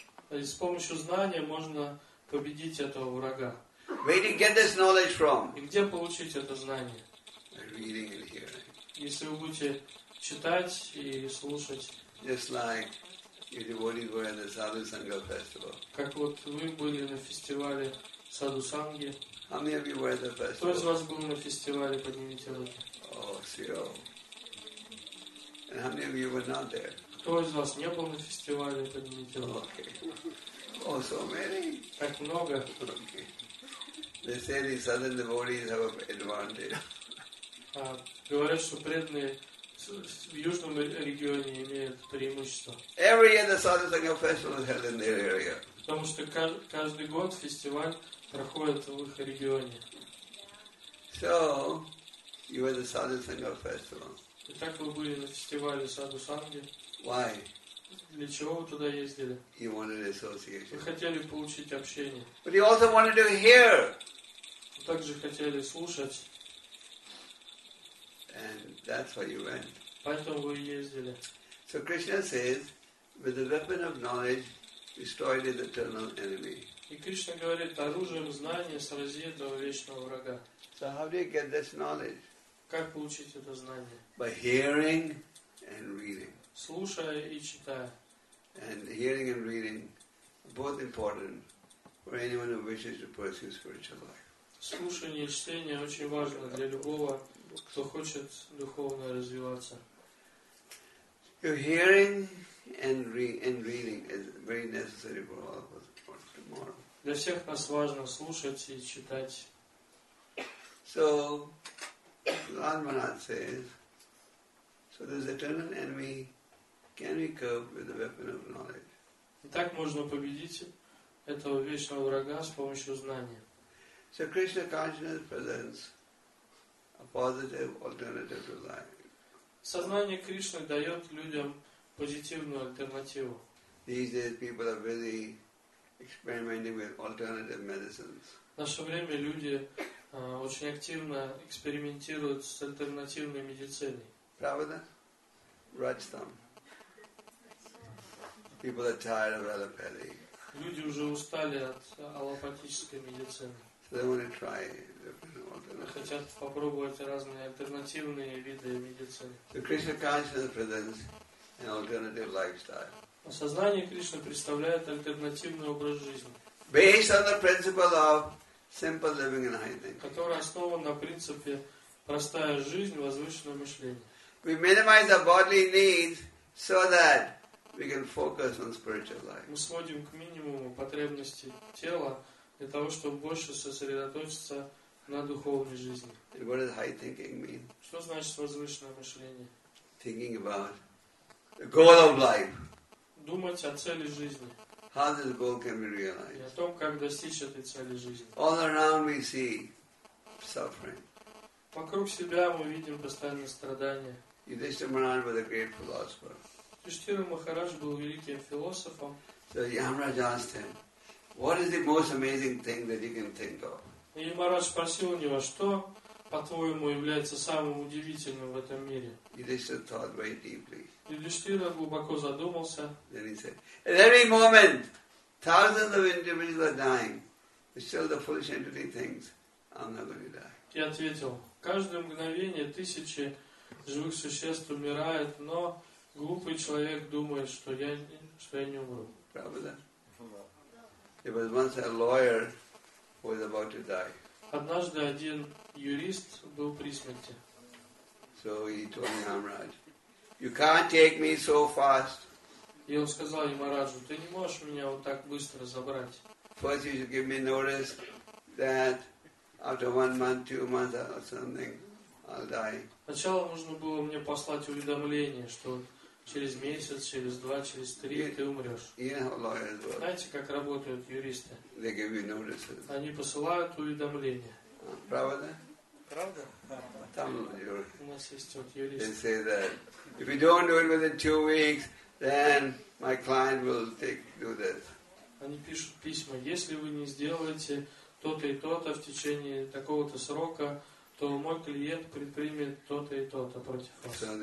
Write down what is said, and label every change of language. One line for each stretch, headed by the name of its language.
Russian: И с помощью знания можно победить этого врага.
English: Where did you get this knowledge from?
Russian: И где получить это знание?
English: Reading and hearing.
Russian: Если вы будете читать и слушать.
English: Just like your devotees were in the Sadhu Sangha festival.
Russian: Как вот вы были на фестивале Sadhu Sangha.
English: How many of you were at the festival?
Russian: Кто из вас был на фестивале, поднимите руки.
English: Oh, see. And how many of you were not there?
Russian: Кто из вас не был на фестивале, поднимите руки.
English: Okay. Oh, so many.
Russian: Так много.
English: Okay. They say the southern devotees have an advantage.
Russian: Говорят, что преданные в южном регионе имеют преимущество.
English: Every year the Sadhu Sangha festival is held in their area.
Russian: Потому что каждый год фестиваль проходит в их регионе.
English: So you were the Sadhu Sangha festival.
Russian: Итак, вы были на фестивале Sadhu Sangha.
English: Why?
Russian: Для чего вы туда ездили?
English: He wanted association.
Russian: Вы хотели получить общение.
English: But he also wanted to hear.
Russian: Вы также хотели слушать.
English: And that's why you went.
Russian: Поэтому вы ездили.
English: So Krishna says, with the weapon of knowledge, destroy the eternal enemy.
Russian: И Кришна говорит, оружием знания срази этого вечного врага.
English: So how do you get this knowledge?
Russian: Как получить это знание?
English: By hearing and reading.
Russian: Слушая и читая.
English: And hearing and reading are both important for anyone who wishes to pursue spiritual life.
Russian: Слушание и чтение очень важно для любого, кто хочет духовно развиваться.
English: Your hearing and reading is very necessary for all of us for tomorrow.
Russian: Для всех нас важно слушать и читать.
English: So, Lord Manat says, so there's eternal enemy. Can we cope with the weapon of knowledge?
Russian: Итак, можно победить этого вечного врага с помощью знания.
English: So Krishna consciousness presents a positive alternative to life.
Russian: Сознание Кришны дает людям позитивную альтернативу.
English: These days people are busy experimenting with alternative medicines.
Russian: В наше время люди очень активно экспериментируют с альтернативной медициной. Правда?
English: Writes them. People are tired of allopathy.
Russian: Люди уже устали от аллопатической медицины.
English: So they want to try different alternatives.
Russian: Хотят попробовать разные альтернативные виды медицины.
English: So Krishna consciousness presents an alternative lifestyle.
Russian: Сознание Кришны представляет альтернативный образ жизни.
English: Based on the principle of simple living and high thinking.
Russian: Который основан на принципе простая жизнь, возвышенное мышление.
English: We minimize our bodily needs so that we can focus on spiritual life.
Russian: Мы сводим к минимуму потребности тела для того, чтобы больше сосредоточиться на духовной жизни.
English: And what does high thinking mean?
Russian: Что значит возвышенное мышление?
English: Thinking about the goal of life.
Russian: Думать о цели жизни.
English: How this goal can be realized?
Russian: И о том, как достичь этой цели жизни.
English: All around we see suffering.
Russian: Вокруг себя мы видим постоянные страдания.
English: Yudhishthira Maharaj was a great philosopher.
Russian: Yudhishthira Maharaj был великим философом.
English: So Yamaraj asked him, "What is the most amazing thing that you can think of?"
Russian: Yamaraj спросил у него, что по-твоему является самым удивительным в этом мире.
English: Yudhishthira thought very deeply.
Russian: Yudhishthira глубоко задумался.
English: Then he said, "At every moment, thousands of individuals are dying. But still, the foolish entity thinks I'm not going to die."
Russian: И ответил: "Каждое мгновение тысячи живых существ умирает, но глупый человек думает, что я не умру." Правда?
English: There was once a lawyer who was about to die.
Russian: Однажды один юрист был при смерти.
English: So he told Yamaraj, "You can't take me so fast."
Russian: И он сказал Ямараджу: "Ты не можешь меня вот так быстро забрать."
English: First you should give me notice that after 1 month, 2 months or something, I'll die.
Russian: Сначала нужно было мне послать уведомление, что через месяц, через два, через три ты умрешь.
English: You know, lawyers work.
Russian: Знаете, как работают юристы?
English: They give you notices.
Russian: Они посылают уведомления. Правда? Правда? Там у нас есть вот юристы.
English: They say that if you don't do it within 2 weeks, then my client will take do this.
Russian: Они пишут письма: если вы не сделаете то-то и то-то в течение такого-то срока, то мой клиент предпримет то-то и то-то против вас.